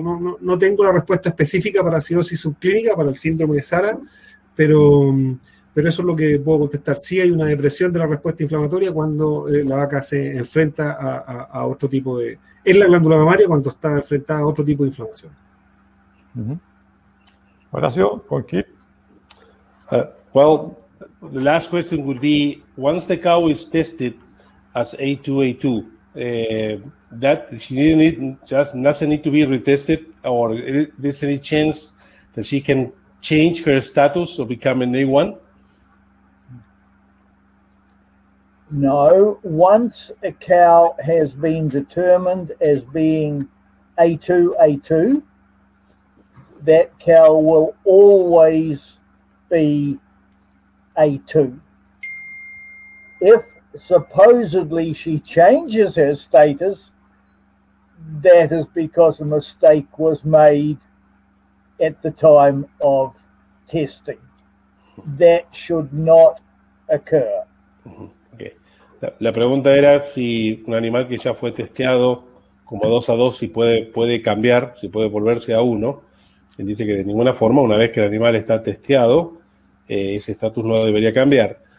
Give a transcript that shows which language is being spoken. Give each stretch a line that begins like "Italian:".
Spanish: No tengo la respuesta específica para acidosis subclínica, para el síndrome de Sara, pero eso es lo que puedo contestar. Sí hay una depresión de la respuesta inflamatoria cuando la vaca se enfrenta a otro tipo de... Es la glándula mamaria cuando está enfrentada a otro tipo de inflamación. Uh-huh. Horacio, ¿con qué?
English: Well, the last question would be, once the cow is tested as A2A2, that she didn't just doesn't need to be retested, or there's any chance that she can change her status or become an A1? No, once a cow has been determined as being A2A2, that cow will always be A2. If supposedly she changes her status, that is because a mistake was made at the time of testing. That should not occur. Okay.
Spanish: La pregunta era si un animal que ya fue testeado como 2-2, si puede cambiar, si puede volverse a 1. Él dice que de ninguna forma, una vez que el animal está testeado, ese estatus no debería cambiar.